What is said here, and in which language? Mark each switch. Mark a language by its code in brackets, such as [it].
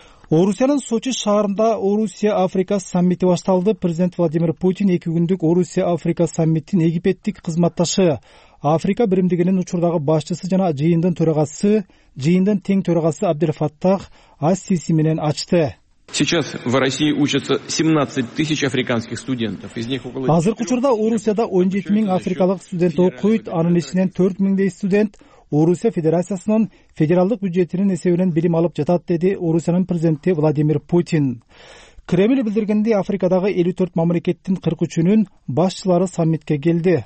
[ky] Орусиянын Сочи шаарында Орусия Африка саммити башталды. Президент Владимир Путин 2 күндүк Орусия Африка саммитин египеттик кызматташы, Африка биримдигинин учурдагы башчысы жана жыйындын тең төрагасы Абдельфаттах Ассиси менен ачты. [ru] Сейчас в России учатся 17 000 африканских студентов. Из них около [ky] Азыркы учурда Орусияда 17 000 африкалык студент окуйт, анын ичинен 4 000 студент Орусия Федерациясынын федералдык бюджетинин эсебинен билим алып жатат, деди Орусиянын президенти Владимир Путин. Кремль билдиргенде Африкадагы 54 мамлекеттин 43-үнүн башчылары саммитке келди.